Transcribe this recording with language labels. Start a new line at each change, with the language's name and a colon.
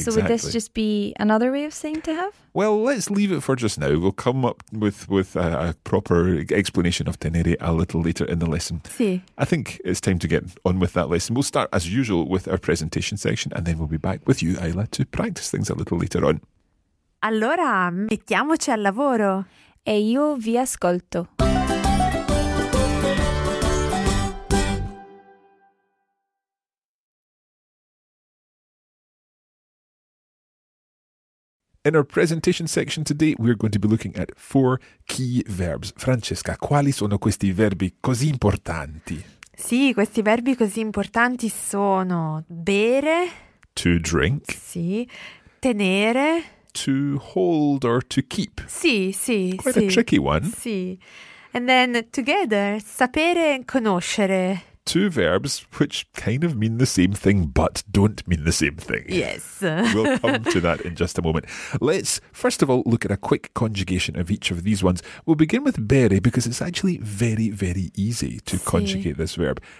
English: So would this just be another way of saying to have? Well, let's leave it for just now. We'll come up with a proper explanation of tenere a little later in the lesson.
Italian: Sí.
English: I think it's time to get on with that lesson. We'll start as usual with our presentation section and then we'll be back with you, Ayla, to practice things a little later on.
Italian: Allora, mettiamoci al lavoro. E io vi ascolto.
English: In our presentation section today, we're going to be looking at four key verbs.
Italian: Francesca, quali sono questi verbi così importanti? Sì, questi verbi così importanti sono bere.
English: To drink.
Italian: Sì. Tenere.
English: To hold or to keep.
Italian: Sì, sì.
English: Quite
Italian: sì.
English: A tricky one.
Italian: Sì.
English: And then together,
Italian: sapere e conoscere.
English: Two verbs which kind of mean the same thing but don't mean the same thing. Yes. We'll come to that in just a moment. Let's, first of all, look at a quick conjugation of each of these ones. We'll begin with bere because it's actually very, very easy to conjugate this verb.